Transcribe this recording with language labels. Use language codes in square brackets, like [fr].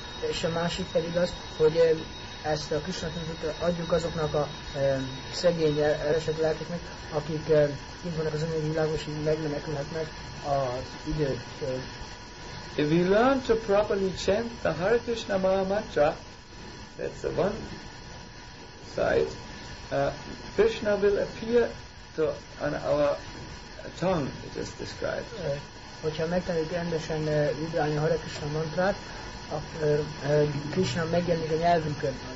[hu] És a másik pedig az, hogy ezt a Krishna tudatot adjuk azoknak a szegény elesett lelkeknek, akik kint vannak az anyagi világban, és így megmenekülhetnek az időtől. [en] If we learn to properly chant the Hare Krishna Maha Mantra, that's the one side, Krishna will appear to on our tongue, it is described. [hu] Hogyha megtanuljuk rendesen vibrálni a Hare Krishna mantrát, akkor Krishna megjelenik a nyelvünkön.